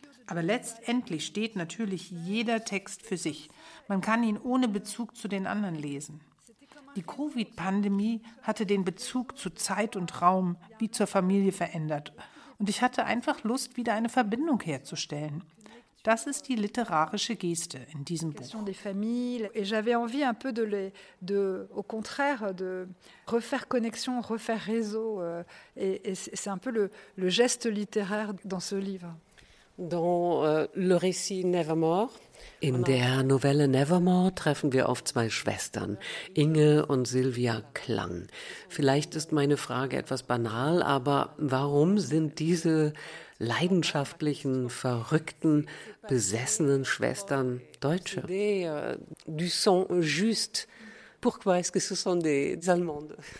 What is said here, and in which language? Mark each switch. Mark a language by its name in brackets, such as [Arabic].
[German] Aber letztendlich steht natürlich jeder Text für sich. Man kann ihn ohne Bezug zu den anderen lesen. Die Covid-Pandemie hatte den Bezug zu Zeit und Raum wie zur Familie verändert. Und ich hatte einfach Lust, wieder eine Verbindung herzustellen. Das ist die literarische Geste in diesem Buch. [French] Des familles et j'avais envie un peu de au contraire de refaire connexion, refaire réseau et c'est un peu le geste littéraire dans ce livre. Dans le récit Nevermore. [German] In der Novelle Nevermore treffen wir auf zwei Schwestern, Inge und Sylvia Klang. Vielleicht ist meine Frage etwas banal, aber warum sind diese leidenschaftlichen, verrückten, besessenen Schwestern Deutsche? [French] Du sens juste. Pourquoi est-ce que ce sont des Allemandes?